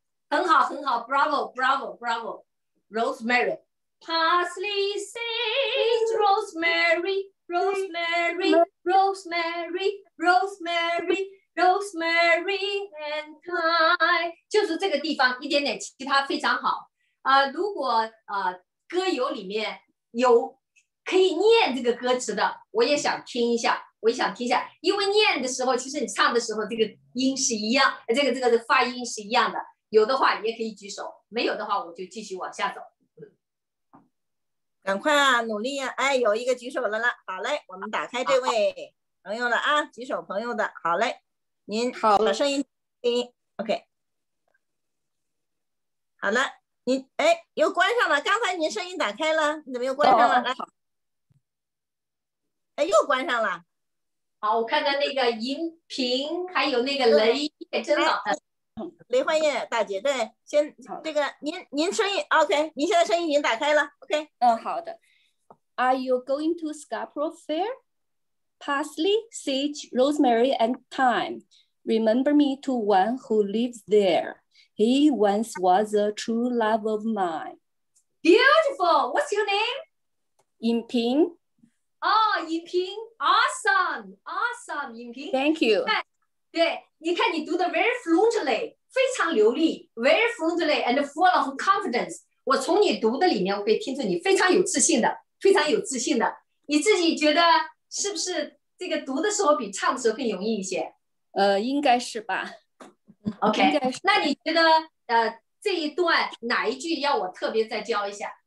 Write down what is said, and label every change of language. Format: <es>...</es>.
<zh>很好，很好 ，</zh> <en>Bravo， Bravo， Bravo， Rosemary， Parsley sings Rosemary， Rosemary， Rosemary， Rosemary， Rosemary and Thyme，</en> <zh>就是这个地方一点点，其他非常好。如果歌友里面有可以念这个歌词的，我也想听一下，我也想听一下，因为念的时候，其实你唱的时候，这个音是一样，这个发音是一样的。有的话也可以举手，没有的话我就继续往下走。赶快啊，努力啊！哎，有一个举手了啦，好嘞，我们打开这位朋友了啊，举手朋友的，好嘞，您好了，声音听 ，OK， 好了，您哎又关上了，刚才您声音打开了，你怎么又关上了？来，哎又关上了，好，我看看那个音频还有那个雷也真好。雷欢燕大姐，对，先这个您声音 OK， 您现在声音已经打开了 OK。嗯，好的。</zh> <en>Are you going to Scarborough Fair? Parsley, sage, rosemary, and thyme. Remember me to one who lives there. He once was a true love of mine. Beautiful. What's your name? Yinping. Oh, Yinping. Awesome. Awesome, Yinping. Thank you.</en> <zh>对，你看你读的</zh> <en>very fluently。</en> <zh>非常流利 ，</zh> <en>very friendly and full of confidence。</en> <zh>我从你读的里面，我可以听出你非常有自信的，非常有自信的。你自己觉得是不是这个读的时候比唱的时候更容易一些？应该是吧。 OK， 那你觉得这一段哪一句要我特别再教一下？</zh>